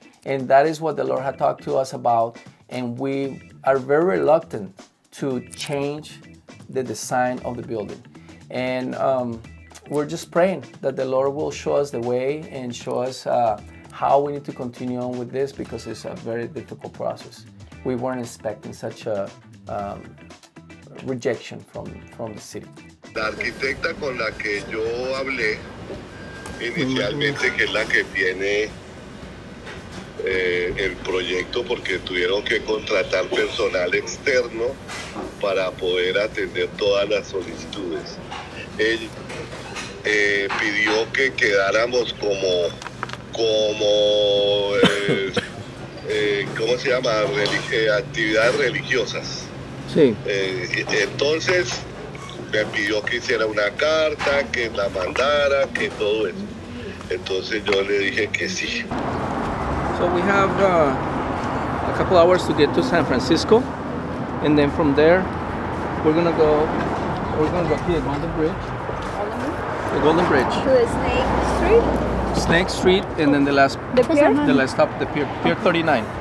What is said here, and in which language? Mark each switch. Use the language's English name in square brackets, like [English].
[English] And that is what the Lord had talked to us about. And we are very reluctant to change the design of the building. And we're just praying that the Lord will show us the way and show us how we need to continue on with this, because it's a very difficult process. We weren't expecting such a rejection from the city. [Spanish] La arquitecta con la que yo hablé inicialmente, que es la que tiene el proyecto, porque tuvieron que contratar personal externo para poder atender todas las solicitudes. Él pidió que quedáramos ¿cómo se llama? Actividades religiosas. Sí. Entonces me pidió que hiciera una carta, que la mandara, que todo eso. Entonces yo le dije que sí. [English] So we have a couple hours to get to San Francisco, and then from there we're gonna go here, Golden Bridge. The Golden Bridge. To Snake Street. Snake Street, and then the last stop, the Pier 39.